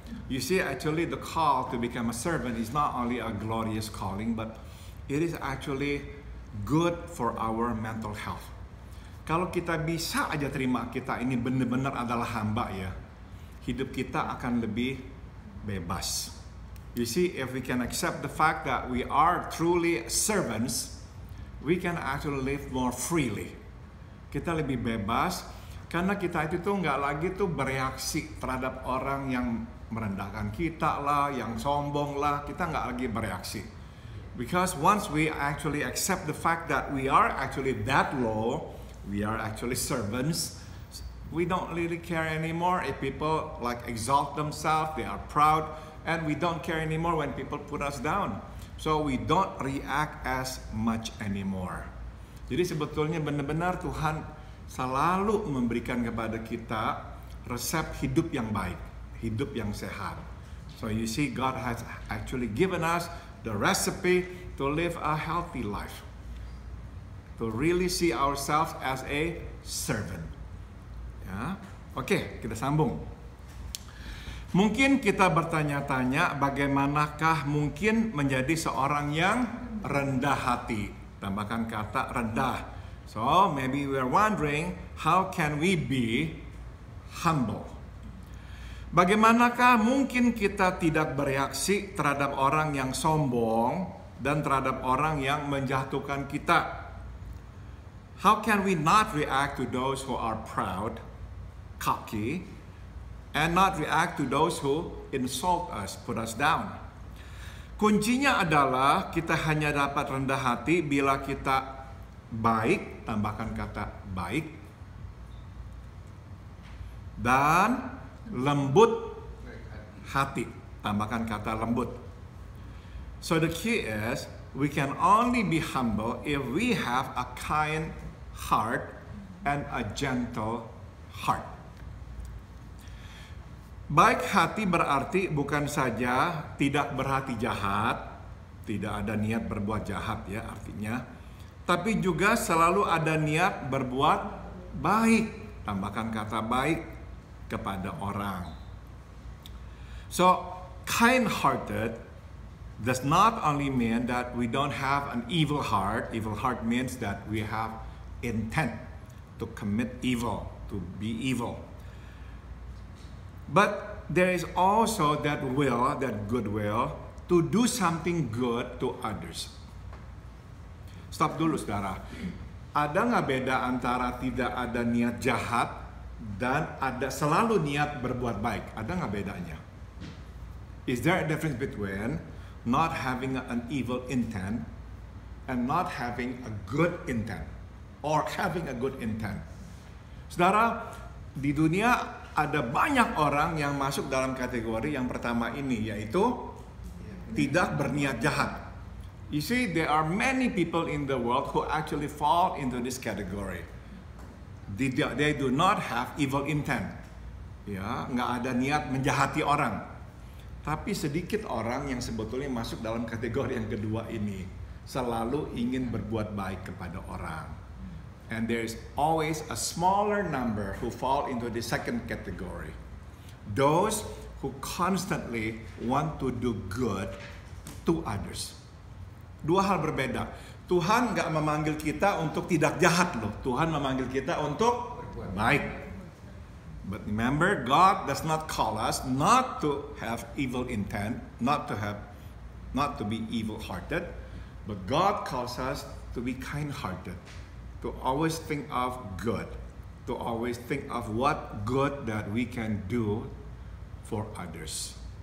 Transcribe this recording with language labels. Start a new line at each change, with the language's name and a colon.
English: You see, actually the call to become a servant is not only a glorious calling, but it is actually good for our mental health.
Indonesian: Kalau kita bisa aja terima kita ini benar-benar adalah hamba ya, hidup kita akan lebih bebas.
English: You see, if we can accept the fact that we are truly servants, we can actually live more freely.
Indonesian: Kita lebih bebas, karena kita itu tuh nggak lagi tuh bereaksi terhadap orang yang merendahkan kita lah, yang sombong lah, kita nggak lagi bereaksi.
English: Because once we actually accept the fact that we are actually that low, we are actually servants, we don't really care anymore if people like exalt themselves, they are proud, and we don't care anymore when people put us down. So we don't react as much anymore.
Indonesian: Jadi sebetulnya benar-benar Tuhan selalu memberikan kepada kita resep hidup yang baik, hidup yang sehat.
English: So you see, God has actually given us the recipe to live a healthy life, to really see ourselves as a servant.
Indonesian: Ya, oke, kita sambung. Mungkin kita bertanya-tanya bagaimanakah mungkin menjadi seorang yang rendah hati. Tambahkan kata rendah.
English: So maybe we are wondering, how can we be humble?
Indonesian: Bagaimanakah mungkin kita tidak bereaksi terhadap orang yang sombong dan terhadap orang yang menjatuhkan kita?
English: How can we not react to those who are proud, cocky, and not react to those who insult us, put us down?
Indonesian: Kuncinya adalah kita hanya dapat rendah hati bila kita baik, tambahkan kata baik, dan lembut hati, tambahkan kata lembut.
English: So the key is, we can only be humble if we have a kind heart and a gentle heart.
Indonesian: Baik hati berarti bukan saja tidak berhati jahat, tidak ada niat berbuat jahat ya artinya, tapi juga selalu ada niat berbuat baik, tambahkan kata baik, kepada orang.
English: So, kind-hearted does not only mean that we don't have an evil heart. Evil heart means that we have intent to commit evil, to be evil. But there is also that will, that goodwill, to do something good to others.
Indonesian: Stop dulu, saudara. Ada nggak beda antara tidak ada niat jahat dan ada selalu niat berbuat baik? Ada nggak bedanya?
English: Is there a difference between not having an evil intent and not having a good intent? Or having a good intent?
Indonesian: Saudara, di dunia ada banyak orang yang masuk dalam kategori yang pertama ini, yaitu tidak berniat jahat.
English: You see, there are many people in the world who actually fall into this category. They do not have evil intent.
Indonesian: Ya, nggak ada niat menjahati orang. Tapi sedikit orang yang sebetulnya masuk dalam kategori yang kedua ini, selalu ingin berbuat baik kepada orang.
English: And there is always a smaller number who fall into the second category. Those who constantly want to do good to others.
Indonesian: Dua hal berbeda. Tuhan gak memanggil kita untuk tidak jahat loh. Tuhan memanggil kita untuk berbuat baik.
English: But remember, God does not call us not to have evil intent, not to be evil-hearted, but God calls us to be kind-hearted, to always think of good, to always think of what good that we can do for others.